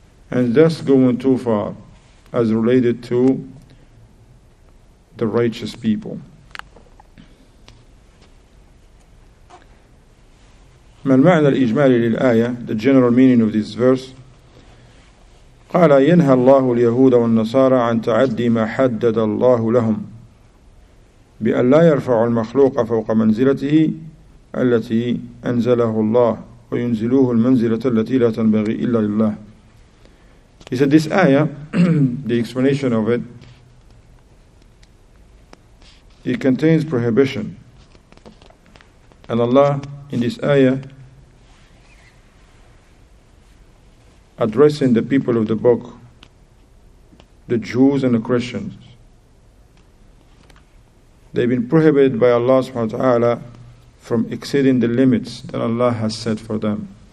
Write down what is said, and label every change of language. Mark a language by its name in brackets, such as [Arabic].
[English] And that's going too far as related to the righteous people. [Arabic] ما المعنى الإجمالي للآية, [English] the general meaning of this verse. [Arabic] قال ينهى الله اليهود والنصارى عن تعدي ما حدد الله لهم بأن لا يرفع المخلوق فوق منزلته التي أنزله الله وينزلوه المنزلة التي لا تنبغي إلا لله. [English] He said this ayah, the explanation of it, it contains prohibition. And Allah, in this ayah, addressing the people of the book, the Jews and the Christians, they've been prohibited by Allah subhanahu wa ta'ala from exceeding the limits that Allah has set for them.